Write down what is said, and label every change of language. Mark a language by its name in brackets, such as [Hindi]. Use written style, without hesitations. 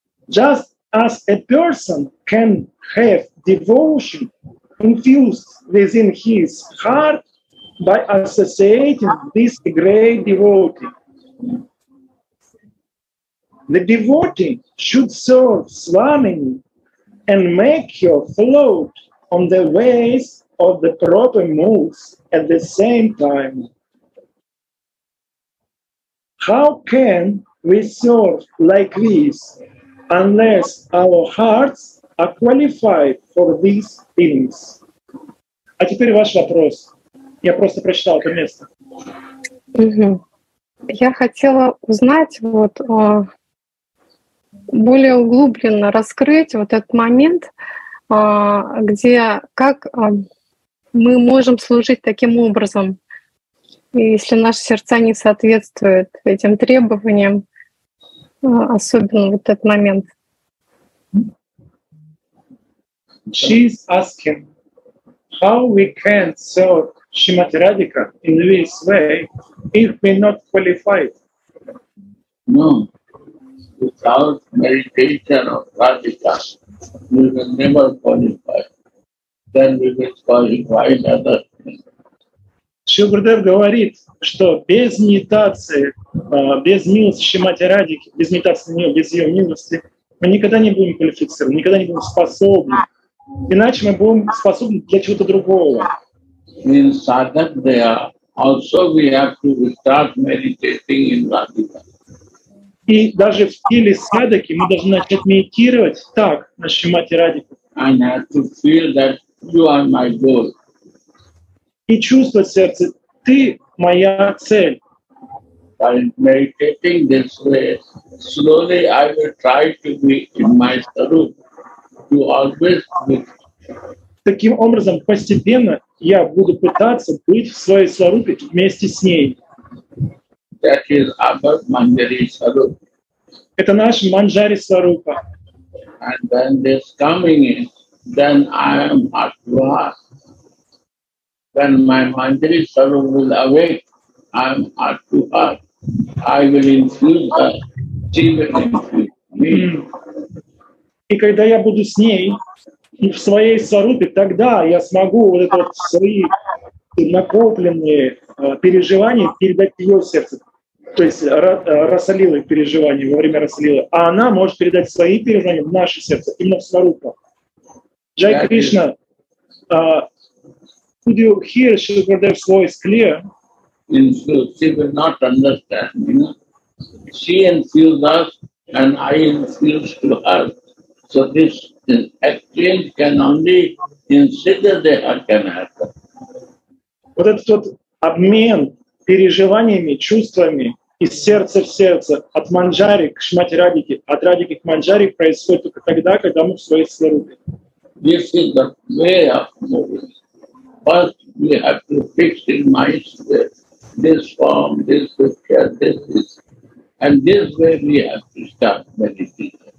[English] Just as a person can have devotion infused within his heart by associating this great devotee, the devotee should serve Swamini and make her float on the ways of the proper moods at the same time. How can we serve like this unless our hearts are qualified for these things? [Russian] А теперь ваш вопрос. Я просто прочитал это место. Я хотела узнать вот более углубленно раскрыть вот этот момент, где как мы можем служить таким образом, если наши сердца не соответствуют этим требованиям, особенно вот этот момент. [English] She's asking, how we can serve Shrimati Radhika in this way if we're not qualified? No. Without meditation of Radhika, we will never qualify. Then we will qualify another thing. [Russian] Шилгурдев говорит, что без медитации, без милости Шримати Радхики, без медитации нее, без ее милости, мы никогда не будем квалифицированы, никогда не будем способны. Иначе мы будем способны для чего-то другого. [English] In sadhana also we have to start meditating in Radhika. [Russian] И даже в стиле садаки мы должны начать медитировать так, на Шримати Радхика. [English] And I have to feel that you are my goal. [Russian] И чувствовать в сердце, ты моя цель. [English] By meditating this way, slowly I will try to be in my sarup. You always be. [Russian] Таким образом, постепенно я буду пытаться быть в своей сарупе вместе с ней. [English] That is our Manjari Sarup. [Russian] Это наш Манджари Сарупа. [English] And then this coming in, then I am at last. When my Manjari Sarup will awake, I am at last. I will infuse her. She will infuse me. [Russian] И когда я буду с ней и в своей сарупе, тогда я смогу вот это вот свои накопленные переживания передать ее в сердце. То есть Расалилы переживания во время Расалилы. А она может передать свои переживания в наше сердце, именно в сарупу. [English] Джай Кришна, could you hear Shri Gurudev's voice clear? She will not understand, you know. She infused us and I infused to her. So this exchange can only in Siddhartha can happen. [Russian] Вот этот вот обмен переживаниями, чувствами из сердца в сердце, от Манджари к Шримати Радхике, от Радхики к Манджари происходит только тогда, когда мы в своей сварупе. [English] This is the way of moving. First we have to fix in my spirit this form, this picture, this is. And this way we have to start meditating.